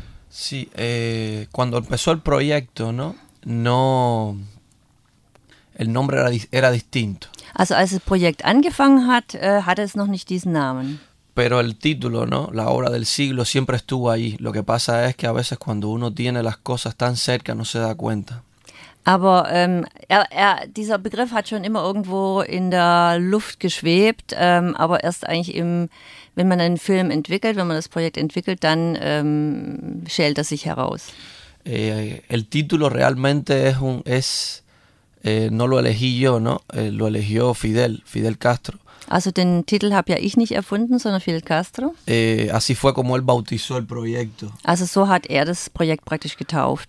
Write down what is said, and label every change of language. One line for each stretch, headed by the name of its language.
Spanish: Sí, cuando empezó el proyecto, ¿no? No. El nombre era distinto.
German: Also als das Projekt angefangen hat, hatte es noch nicht diesen Namen.
Spanish: Pero el título, ¿no? La obra del siglo siempre estuvo ahí. Lo que pasa es que a veces cuando uno tiene las cosas tan cerca no se da cuenta.
German: Aber dieser Begriff hat schon immer irgendwo in der Luft geschwebt, aber erst eigentlich wenn man einen Film entwickelt, wenn man das Projekt entwickelt, dann schält er sich heraus.
Spanish: El título realmente es no lo elegí yo, ¿no? Lo eligió Fidel Castro.
German: Also den Titel habe ja ich nicht erfunden, sondern Fidel Castro.
Spanish: Así fue como él bautizó el proyecto.
German: Also so hat das Projekt praktisch getauft.